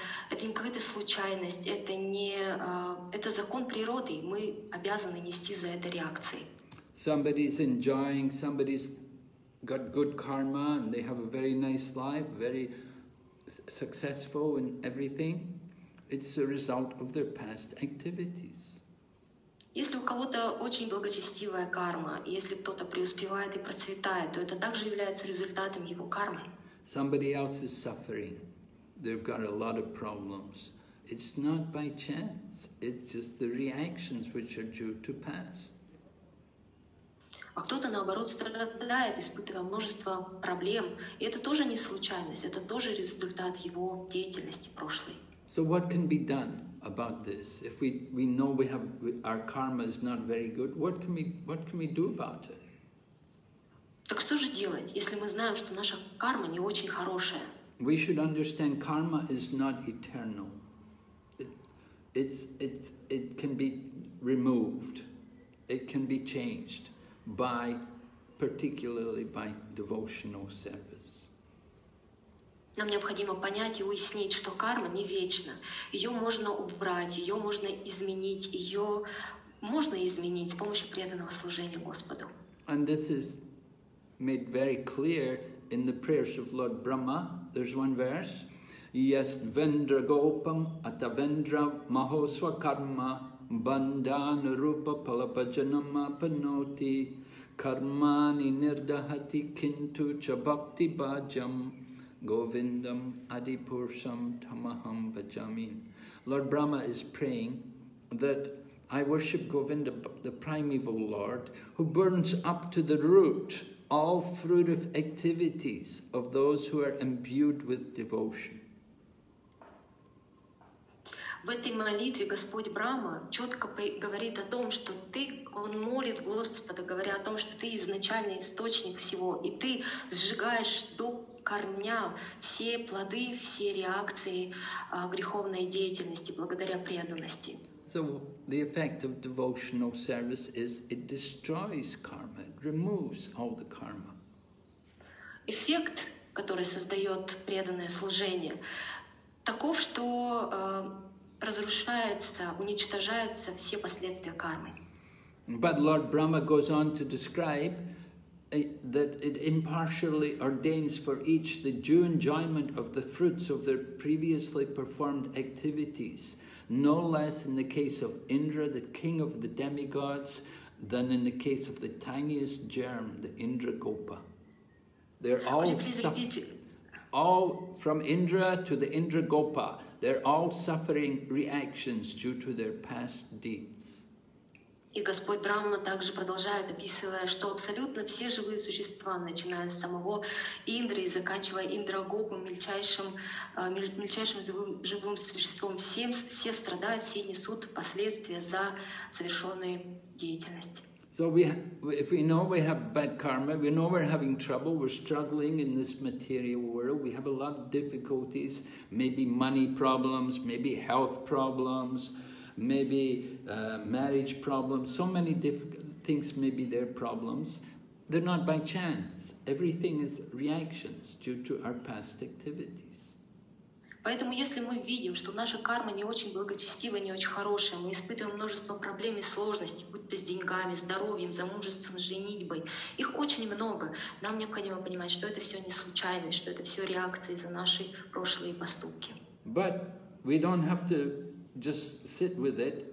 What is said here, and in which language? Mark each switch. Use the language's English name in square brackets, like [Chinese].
[Russian] Это не какая-то случайность, это закон природы, и мы обязаны нести за это реакции. [English] Somebody's enjoying, somebody's got good karma, and they have a very nice life, very successful in everything. It's a result of their past activities. [Russian] Если у кого-то очень благочестивая карма, если кто-то преуспевает и процветает, то это также является результатом его кармы. [English] Somebody else is suffering. They've got a lot of problems. It's not by chance. It's just the reactions which are due to past. [Russian] А кто-то, наоборот, страдает, испытывая множество проблем. И это тоже не случайность. Это тоже результат его деятельности прошлой. [English] So what can be done about this? If we know we have our karma is not very good, what can we do about it? [Russian] Так что же делать, если мы знаем, что наша карма не очень хорошая? [English] We should understand karma is not eternal. It can be removed. It can be changed particularly by devotional service. [Russian] Нам необходимо понять и уяснить, что карма не вечна. Ее можно убрать, ее можно изменить, ее можно изменить с помощью преданного служения Господу. [English] And this is made very clear in the prayers of Lord Brahma. There's one verse. [Sanskrit] Yast vendra gopam ata vendra mahoswa karma bandhana rupa palapajanam apanoti karmani nirdahati kintu cha bhakti bhajam Govindam Adipursam Tamaham Bhajamin. [English] Lord Brahma is praying that I worship Govinda, the primeval Lord, who burns up to the root all fruitive activities of those who are imbued with devotion. [Russian] В этой молитве Господь Брама четко говорит о том, что ты, он молит Господа, говоря о том, что ты изначальный источник всего, и ты сжигаешь до корня все плоды, все реакции греховной деятельности благодаря преданности. [English] So the effect of devotional service is it destroys karma, it removes all the karma. [Russian] Эффект, который создает преданное служение, таков, что разрушается, уничтожаются все последствия кармы. [English] But Lord Brahma goes on to describe that it impartially ordains for each the due enjoyment of the fruits of their previously performed activities, no less in the case of Indra, the king of the demigods, than in the case of the tiniest germ, the Indra Gopa. They're all all from Indra to the Indra Gopa. They're all suffering reactions due to their past deeds. [Russian] И Господь Брама также продолжает, описывая, что абсолютно все живые существа, начиная с самого Индры и заканчивая Индрагопой, мельчайшим живым существом, все страдают, все несут последствия за совершенную деятельность. [English] So if we know we have bad karma, we know we're having trouble, we're struggling in this material world, we have a lot of difficulties, maybe money problems, maybe health problems, maybe marriage problems, so many difficult things may be their problems. They're not by chance. Everything is reactions due to our past activities. [Russian] Поэтому, если мы видим, что наша карма не очень благочестива, не очень хорошая, мы испытываем множество проблем и сложностей, будь то с деньгами, здоровьем, замужеством, женитьбой, их очень много. Нам необходимо понимать, что это все не случайность, что это все реакции за наши прошлые поступки. [English] But we don't have to just sit with it.